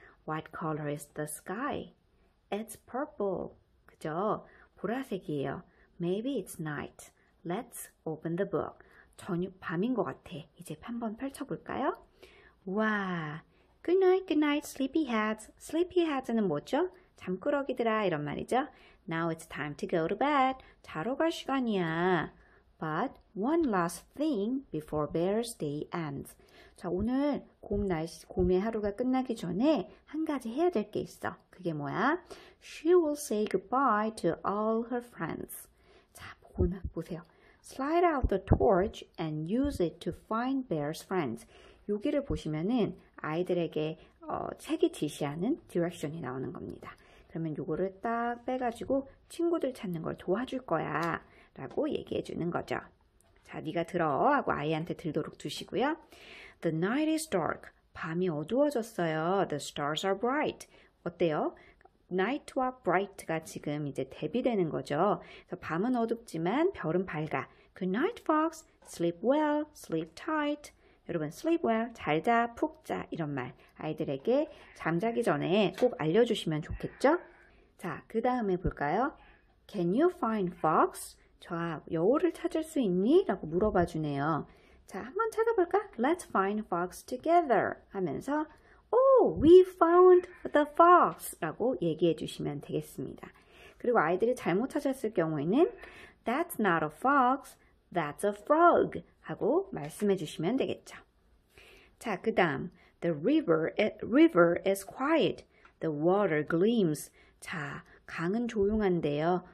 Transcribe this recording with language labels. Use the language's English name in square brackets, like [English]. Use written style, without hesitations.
[English] What color is the sky? It's purple. [Korean] 그죠? 보라색이에요. [English] Maybe it's night. Let's open the book. [Korean] 저녁 밤인 것 같아. 이제 한번 펼쳐볼까요? 와, [English] good night, sleepyheads. Sleepyheads는 [Korean] 뭐죠? 잠꾸러기들아 이런 말이죠. [English] Now it's time to go to bed. [Korean] 자러 갈 시간이야. [English] But one last thing before Bear's Day ends. [Korean] 자, 오늘 곰 날씨, 곰의 하루가 끝나기 전에 한 가지 해야 될 게 있어. 그게 뭐야? [English] She will say goodbye to all her friends. [Korean] 자, 보세요. [English] Slide out the torch and use it to find Bear's friends. [Korean] 여기를 보시면은 아이들에게 책이 지시하는 디렉션이 나오는 겁니다. 그러면 요거를 딱 빼가지고 친구들 찾는 걸 도와줄 거야 라고 얘기해 주는 거죠. 자, 네가 들어 하고 아이한테 들도록 두시고요. [English] The night is dark. [Korean] 밤이 어두워졌어요. [English] The stars are bright. [Korean] 어때요? Night와 bright가 지금 이제 대비되는 거죠. 그래서 밤은 어둡지만 별은 밝아. [English] Good night, fox. Sleep well. Sleep tight. [Korean] 여러분, [English] sleep well, [Korean] 잘 자, 푹 자, 이런 말. 아이들에게 잠자기 전에 꼭 알려주시면 좋겠죠? 자, 그 다음에 볼까요? [English] Can you find fox? [Korean] 좋아, 여우를 찾을 수 있니? 라고 물어봐 주네요. 자, 한번 찾아볼까? [English] Let's find fox together [Korean] 하면서 [English] Oh, we found the fox! [Korean] 라고 얘기해 주시면 되겠습니다. 그리고 아이들이 잘못 찾았을 경우에는 [English] That's not a fox, that's a frog! [Korean] 하고 말씀해 주시면 되겠죠. 자, 그 다음, [English] the river is quiet. The water gleams. [Korean] 자, 강은 조용한데요.